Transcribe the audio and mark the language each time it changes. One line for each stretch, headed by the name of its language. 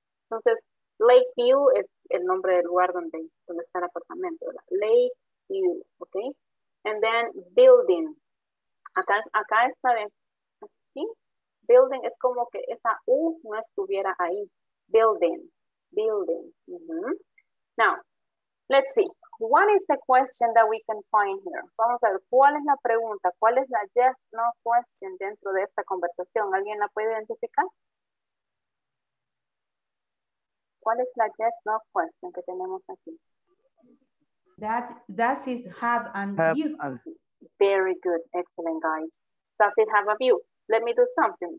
Spanish: Entonces, Lakeview es el nombre del lugar donde está el apartamento, ¿verdad?
English: Lakeview, ¿ok? And then, building.
Spanish: Acá está de aquí. Building es como que esa U no estuviera ahí.
English: Building. Mm-hmm. Now, let's see. What is the question that we can find here?
Spanish: Vamos a ver, ¿cuál es la pregunta? ¿Cuál es la yes, no question dentro de esta conversación? ¿Alguien la puede identificar? ¿Cuál es la yes, no question que tenemos aquí?
English: Does it have a view? Very good. Excellent, guys. Does it have a view? Let me do something.